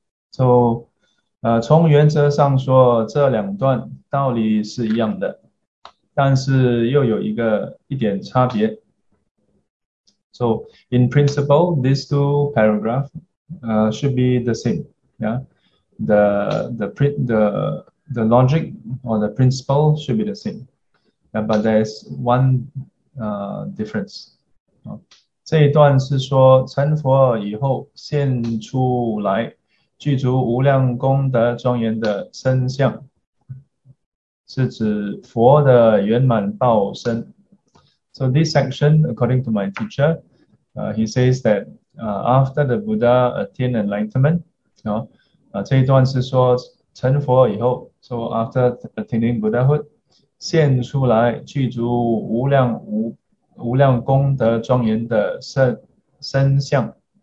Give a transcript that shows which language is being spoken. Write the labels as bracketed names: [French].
[Chinese] So, 从原则上说，这两段道理是一样的，但是又有一个一点差别. [English] So, in principle, these two paragraphs, should be the same. Yeah, the logic or the principle should be the same. Yeah, but there's one, difference. [Chinese] 这一段是说成佛以后现出来具足无量功德庄严的身相，是指佛的圆满报身. [English] So this section, according to my teacher, he says that after the Buddha attained enlightenment, [Chinese] 这一段是说成佛以后, [English] so after attaining Buddhahood, [Chinese] 现出来具足无量功德庄严的身相.